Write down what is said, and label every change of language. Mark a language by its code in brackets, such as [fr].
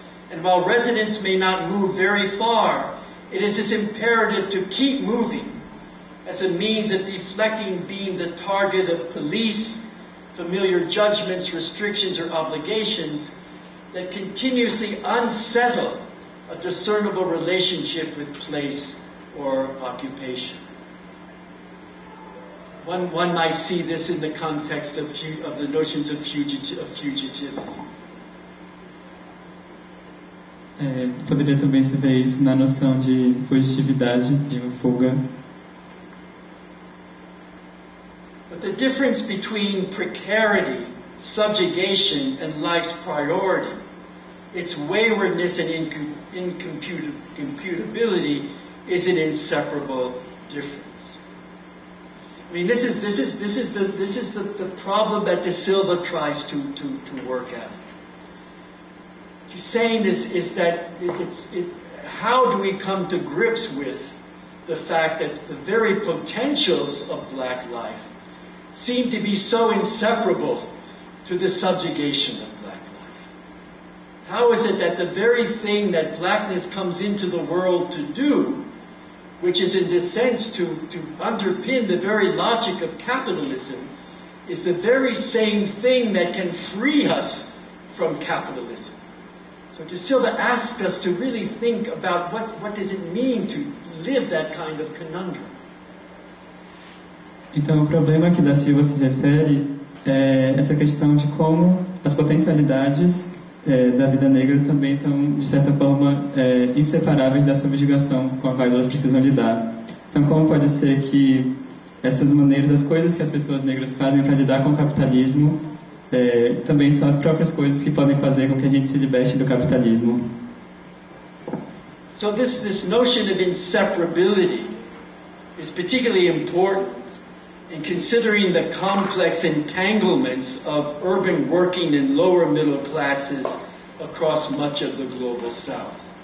[en] And while residents may not move very far, it is this imperative to keep moving as a means of deflecting being the target of police, familiar judgments, restrictions, or obligations that continuously unsettle a discernible relationship with place or occupation. One might see this in the context of the notions of fugitivity. [pt] Poderia também se ver isso na noção de fugitividade, de fuga. [en] But the difference between precarity, subjugation, and life's priority, its waywardness and incomputability, is an inseparable difference. I mean, this is the problem that De Silva tries to work out. What you're saying is that how do we come to grips with the fact that the very potentials of black life seem to be so inseparable to the subjugation of black life? How is it that the very thing that blackness comes into the world to do, which is in this sense to underpin the very logic of capitalism, is the very same thing that can free us from capitalism? So De Silva asks us to really think about what does it mean to live that kind of conundrum. [pt] Então, o problema que Da Silva se refere é essa questão de como as potencialidades da vida negra também estão, de certa forma, inseparáveis da subjugação com a qual elas precisam lidar. Então, como pode ser que essas maneiras, as coisas que as pessoas negras fazem para lidar com o capitalismo, também são as próprias coisas que podem fazer com que a gente se liberte do capitalismo? [en] So this notion of inseparability is particularly important in considering the complex entanglements of urban working and lower middle classes across much of the global south.